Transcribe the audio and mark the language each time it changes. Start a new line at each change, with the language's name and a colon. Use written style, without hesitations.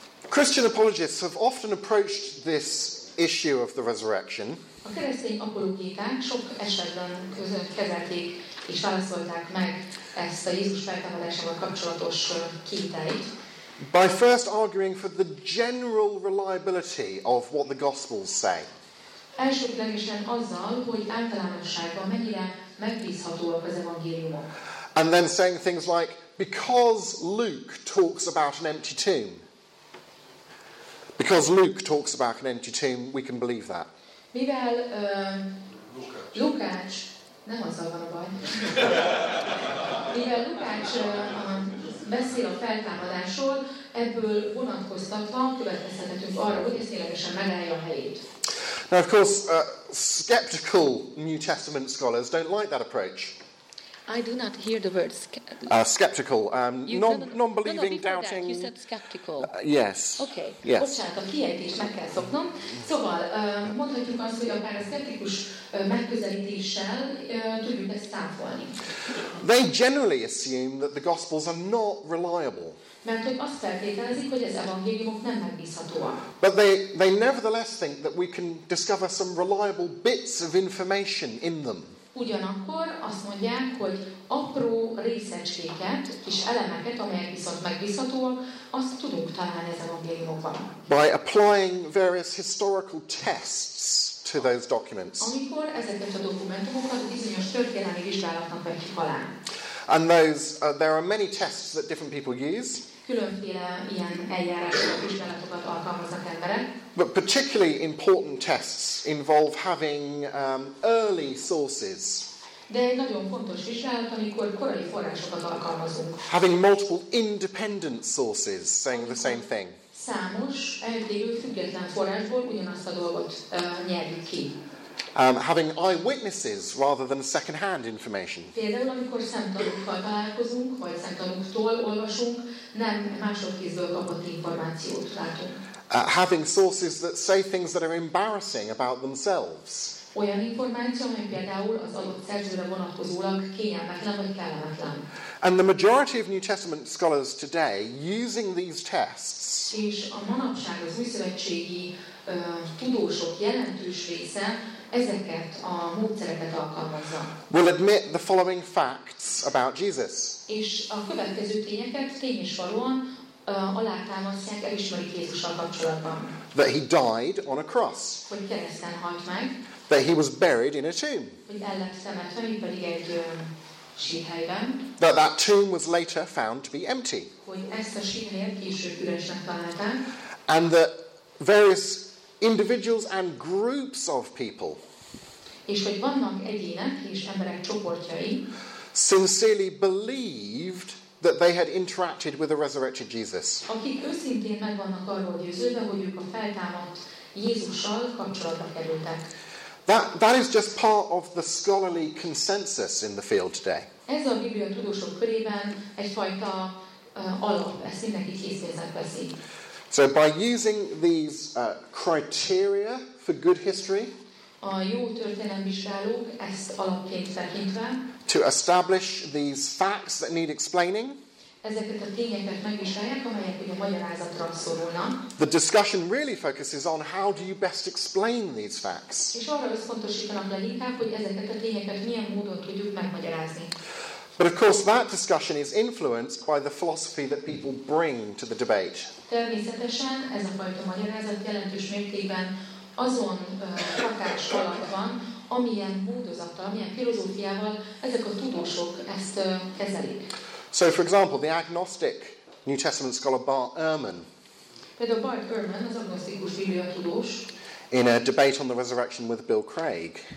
English: Christian apologists have often approached this issue of the resurrection.
Hungarian: A keresztény apologéták sok esetben kezelték és válaszolták meg ezt a Jézus feltámadásával kapcsolatos kételyt.
English: By first arguing for the general reliability of what the Gospels say.
Hungarian: Elsődlegesen azzal, hogy általánosságban mennyire megbízhatóak az evangéliumok.
English: And then saying things like, because Luke talks about an empty tomb. Because Luke talks about an empty tomb, we can believe that.
Hungarian: Mivel Lukács, nem azzal van a baj. Mivel Lukács beszél a feltámadásról, ebből vonatkoztatva következtethetünk arra, hogy ez ténylegesen megállja a helyét.
English: Now of course, skeptical New Testament scholars don't like that approach. I do not hear the word skeptical. Non-believing, doubting. You said skeptical. Yes. Okay. Yes.
Hungarian: Bocsánat, a kiejtést meg kell szoknom. Szóval mondhatjuk azt, hogy akár a szkeptikus megközelítéssel tudjuk ezt számolni.
English: They generally assume that the Gospels are not reliable.
Hungarian: Mert hogy azt feltételezik, hogy az evangéliumok nem megbízhatóak.
English: But they nevertheless think that we can discover some reliable bits of information in them.
Hungarian: Ugyanakkor azt mondják, hogy apró részecskéket, kis elemeket, amelyek viszont megbízhatóak, azt tudunk találni az evangéliumokban.
English: By applying various historical tests to those documents.
Hungarian: Amikor ezeket a dokumentumokat bizonyos történelmi vizsgálatnak vetjük alá.
English: And those, there are many tests that different people use.
Hungarian: Különféle ilyen eljárások, vizsgálatokat alkalmaznak emberek.
English: But particularly important tests involve having early sources.
Hungarian: De nagyon fontos vizsgálat, amikor korai forrásokat alkalmazunk.
English: Having multiple independent sources saying the same thing.
Hungarian: Számos, eltérő, független forrásból ugyanazt a dolgot nyerjük ki.
English: Having eyewitnesses rather than second-hand information.
Hungarian: Például, amikor szemtanúkkal találkozunk, vagy szemtanúktól olvasunk, nem másokkézből kapott információt látunk.
English: Having sources that say things that are embarrassing about themselves.
Hungarian: Olyan információ, amely például az adott szerzőre vonatkozólag kényelmetlen vagy kellemetlen.
English: And the majority of New Testament scholars today using these tests.
Hungarian: És a manapság az új szövetségi tudósok jelentős része ezeket a módszereket alkalmazza.
English: Will admit the following facts about Jesus.
Hungarian: És a következő tényeket tény és valóan feltámasztják, elismerik Jézussal kapcsolatban.
English: That he died on a cross.
Hungarian: Hogy kereszten halt meg.
English: That he was buried in a tomb.
Hungarian: Hogy el lett temetve, pedig egy síhelyben.
English: That that tomb was later found to be empty.
Hungarian: Hogy ezt a síhelyet később üresnek találták.
English: And that various individuals and groups of people,
Hungarian: és hogy vannak egyének és emberek csoportjai,
English: sincerely believed that they had interacted with the resurrected Jesus.
Hungarian: Akik őszintén meg vannak arról győződve, hogy ők a feltámadt Jézussal kapcsolatba kerültek.
English: That is just part of the scholarly consensus in the field today.
Hungarian: Ez a Biblia tudósok körében egyfajta alap, ezt mindenki készpénznek veszi.
English: So by using these criteria for good history,
Hungarian: a jó történelemvizsgálók ezt alapként tekintve,
English: to establish these facts that need explaining,
Hungarian: ezeket a tényeket megvizsgálják, amelyek ugye magyarázatra szorulna,
English: the discussion really focuses on how do you best explain these facts.
Hungarian: És arra összpontosítanak le inkább, hogy ezeket a tényeket milyen módon tudjuk megmagyarázni.
English: But of course that discussion is influenced by the philosophy that people bring to the debate.
Hungarian: Természetesen ez a fajta magyarázat jelentős mértékben azon hatás alatt van, amilyen módozattal, amilyen filozófiával ezek a tudósok ezt kezelik.
English: So for example, the agnostic New Testament scholar Bart Ehrman.
Hungarian: Például Bart Ehrman, az agnosztikus biblia tudós.
English: In a debate on the resurrection with Bill Craig.